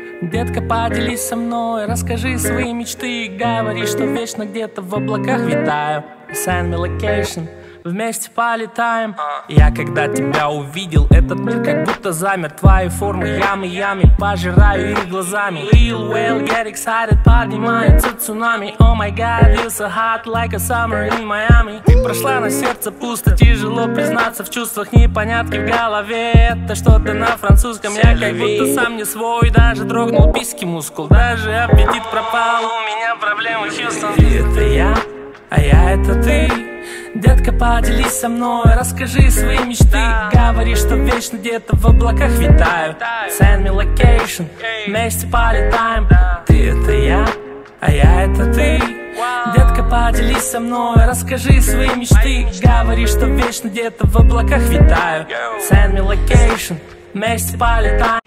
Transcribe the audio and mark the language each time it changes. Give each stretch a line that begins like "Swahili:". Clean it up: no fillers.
Russian: Детка, поделись со мной, расскажи свои мечты. Говори, что вечно где-то в облаках витаю.
English: Send me location.
Russian: Вместе полетаем. Я когда тебя увидел, этот мир как будто замер. Твои формы ямы-ямы, пожираю их глазами.
English: Lil Whale, get excited,
Russian: поднимается цунами.
English: Oh my god, you so hot, like a summer in Miami.
Russian: Ты прошла на сердце пусто, тяжело признаться в чувствах. Непонятки в голове, это что-то на французском. Я как будто сам не свой, даже дрогнул письки мускул. Даже аппетит пропал, у меня проблемы с чувством. Ты — это я, а я — это ты. Детка, поделись со мной, расскажи свои мечты. Говори, что вечно где-то в облаках витаю.
English: Send me location,
Russian: вместе полетаем. Ты — это я, а я — это ты. Детка, поделись со мной, расскажи свои мечты. Говори, что вечно где-то в облаках витаю.
English: Send me location,
Russian: вместе полетаем.